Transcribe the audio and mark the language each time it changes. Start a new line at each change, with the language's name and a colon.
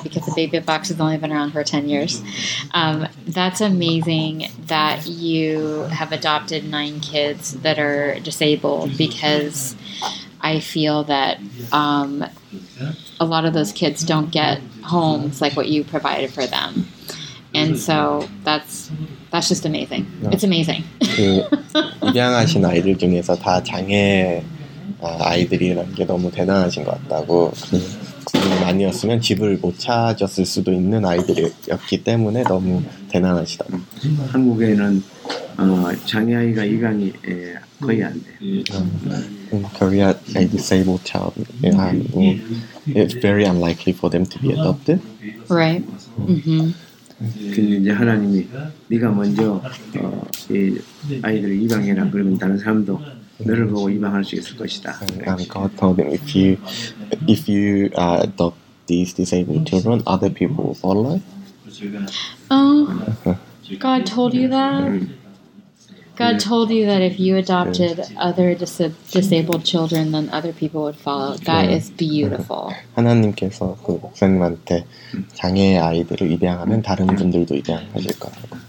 English: Because the baby box has only been around for 10 years. That's amazing that you have adopted 9 kids that are disabled. Because I feel that a lot of those kids don't get homes like what you provided for them. And so that's just amazing. It's amazing.
Korean: 그 입양하신 아이들 중에서 다 장애 아이들이라는 게 너무 대단하신 것 같다고. 그분이 아니었으면 집을 못 찾았을 수도 있는 아이들이었기 때문에 너무 대단하시다. 한국에는 장애 아이가 입양이 거의 안 돼.
English: In Korea, a disabled child, it's very unlikely for them to be adopted. Right. Mm-hmm.
Korean: 근데 이제 하나님이 네가 먼저 이 아이들을 입양해라 그러면 다른 사람도 너를 보고 입양할 수 있을 것이다.
English: And God told him if you adopt these disabled children, other people will follow. Oh, God told you that. God told you that if you adopted other disabled children, then other people would follow. That is beautiful.
Korean: 하나님께서 그 목사님한테 장애 아이들을 입양하면 다른 분들도 입양하실 거라고.